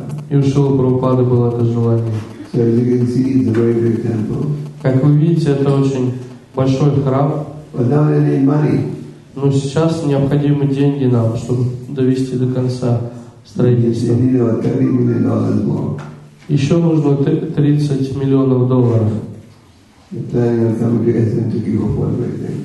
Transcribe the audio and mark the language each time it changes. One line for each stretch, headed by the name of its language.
Russian: И у Шрилы Прабхупады было это желание.
English: So as you can see, it's a very big temple.
Russian: Как вы видите, это очень большой храм.
English: But now they need money.
Russian: Но сейчас необходимы деньги нам, чтобы довести до конца строительство.
English: They need about $30 million more.
Russian: Еще нужно $30 million.